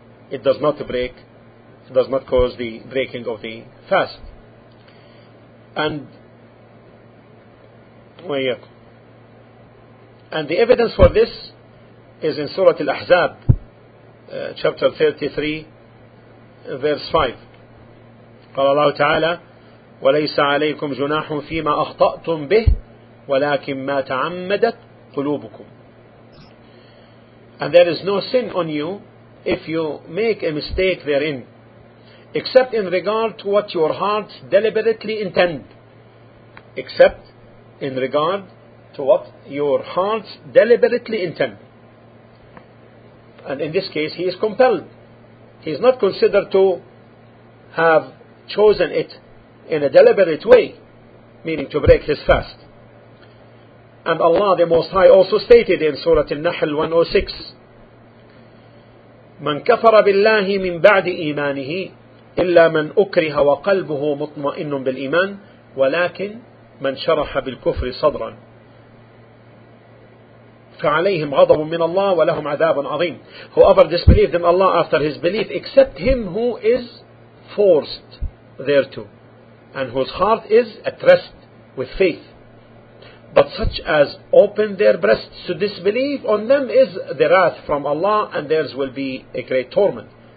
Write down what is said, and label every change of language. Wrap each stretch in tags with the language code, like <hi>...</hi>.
<en>It does not break, it does not cause the breaking of the fast. And the evidence for this is in Surah Al-Ahzab, chapter 33, verse 5.</en> <ar>قال الله تعالى وليس عليكم جناح فيما أخطأتم به ولكن ما تعمدت قلوبكم.</ar> <en>And there is no sin on you if you make a mistake therein, except in regard to what your hearts deliberately intend. Except in regard to what your hearts deliberately intend. And in this case, he is compelled. He is not considered to have chosen it in a deliberate way, meaning to break his fast. And Allah the Most High also stated in Surah An-Nahl 106,</en> <ar>من كفر بالله من بعد إيمانه إلا من أكره وقلبه مطمئن بالإيمان ولكن من شرح بالكفر صدرا. فعليهم غضب من الله ولهم عذاب عظيم.</ar> <en>Whoever disbelieved in Allah after his belief, except him who is forced thereto, and whose heart is at rest with faith. But such as open their breasts to disbelief, on them is the wrath from Allah, and theirs will be a great torment.</en>